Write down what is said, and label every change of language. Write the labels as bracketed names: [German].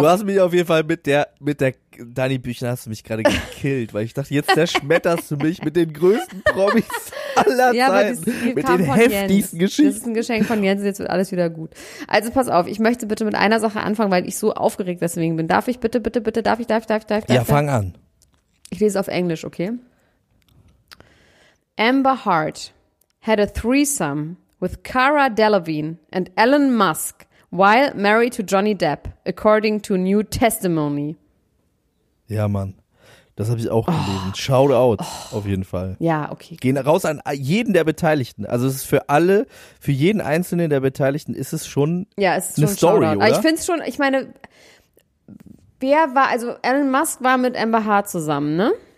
[German] Du hast mich auf jeden Fall mit der Dani Büchner hast du mich gerade gekillt, weil ich dachte, jetzt zerschmetterst du mich mit den größten Promis aller ja, Zeiten. Das, mit den heftigsten Geschichten. Das ist ein Geschenk von Jens, jetzt wird alles wieder gut. Also pass auf, ich möchte bitte mit einer Sache anfangen, weil ich so aufgeregt deswegen bin. Darf ich bitte, darf ich? Ja, fang an. Ich lese auf Englisch, okay? [English] Amber Hart had a threesome with Cara Delevingne and Elon Musk while married to Johnny Depp, according to New Testimony. [German] Ja, Mann. Das habe ich auch gelesen. Shoutout auf jeden Fall. Ja, okay. Gehen raus an jeden der Beteiligten. Also es ist für alle, für jeden Einzelnen der Beteiligten ist es schon eine Story, oder? Ich finde es schon, ich meine, wer war, also Elon Musk war mit Amber Hart zusammen, ne?